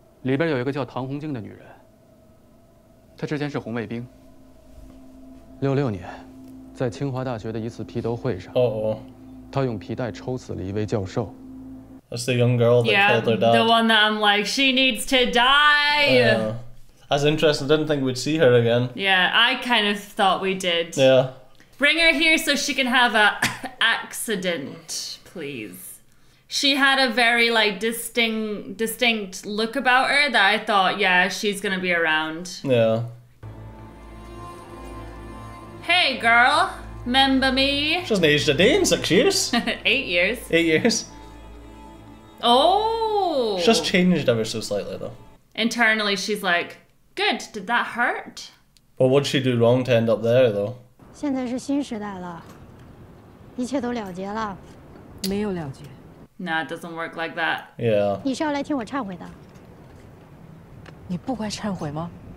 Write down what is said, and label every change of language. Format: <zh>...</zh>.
<zh>里边有一个叫唐红静的女人。他之前是红卫兵，66年，在清华大学的一次批斗会上，他用皮带抽死了一位教授。</zh> <en>That's the young girl that killed her dad. The one that I'm like, she needs to die. That's interesting. I didn't think we'd see her again. Yeah, I kind of thought we did. Yeah. Bring her here so she can have a accident, please. She had a very like distinct look about her that I thought, yeah, she's gonna be around. Yeah. Hey, girl, remember me? She hasn't aged a day in 6 years. 8 years. 8 years. Oh! She's changed ever so slightly, though. Internally, she's like, good, did that hurt? Well, what'd she do wrong to end up there, though?</en> <zh>现在是新时代了,一切都了结了。没有了结。</zh> <en>Nah, it doesn't work like that. Yeah.</en> <zh>你是要来听我忏悔的。你不该忏悔吗?</zh>